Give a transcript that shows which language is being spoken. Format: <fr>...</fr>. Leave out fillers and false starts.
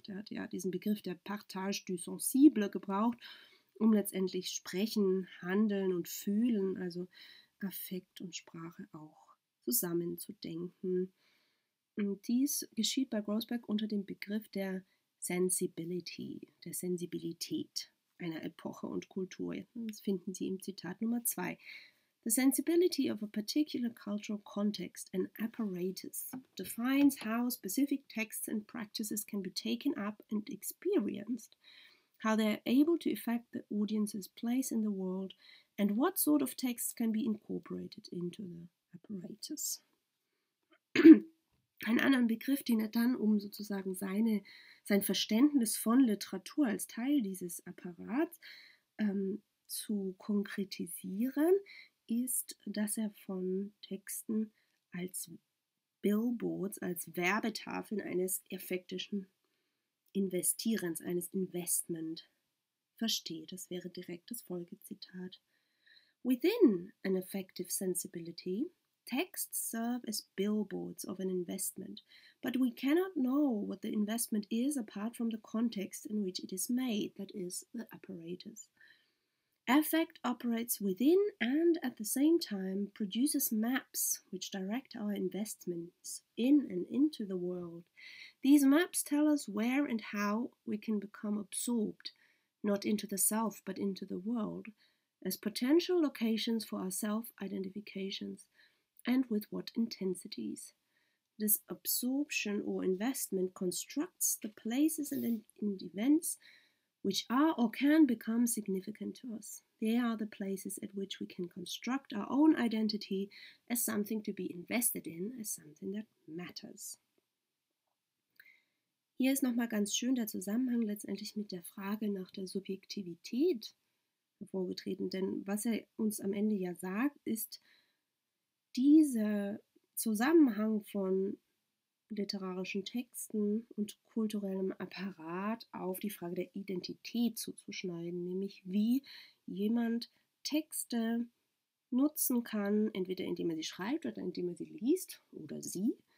<de>Der hat ja diesen Begriff der Partage du Sensible gebraucht, um letztendlich Sprechen, Handeln und Fühlen, also Affekt und Sprache auch zusammenzudenken. Und dies geschieht bei Grossberg unter dem Begriff der Sensibility, der Sensibilität einer Epoche und Kultur. Das finden Sie im Zitat Nummer 2.</de> <en>The sensibility of a particular cultural context, an apparatus, defines how specific texts and practices can be taken up and experienced, how they are able to affect the audience's place in the world, and what sort of texts can be incorporated into the apparatus.</en> <de>Einen anderen Begriff, den er dann, um sozusagen sein Verständnis von Literatur als Teil dieses Apparats zu konkretisieren, ist, dass er von Texten als Billboards, als Werbetafeln eines effektischen Investierens, eines Investment versteht. Das wäre direkt das Folgezitat.</de> <en>Within an effective sensibility, texts serve as billboards of an investment, but we cannot know what the investment is apart from the context in which it is made, that is, the apparatus. Affect operates within and at the same time produces maps which direct our investments in and into the world. These maps tell us where and how we can become absorbed, not into the self, but into the world, as potential locations for our self-identifications and with what intensities. This absorption or investment constructs the places and events which are or can become significant to us. They are the places at which we can construct our own identity as something to be invested in, as something that matters.</en> <de>Hier ist nochmal ganz schön der Zusammenhang letztendlich mit der Frage nach der Subjektivität hervorgetreten. Denn was er uns am Ende ja sagt, ist, dieser Zusammenhang von literarischen Texten und kulturellem Apparat auf die Frage der Identität zuzuschneiden, nämlich wie jemand Texte nutzen kann, entweder indem er sie schreibt oder indem er sie liest oder sie,</de>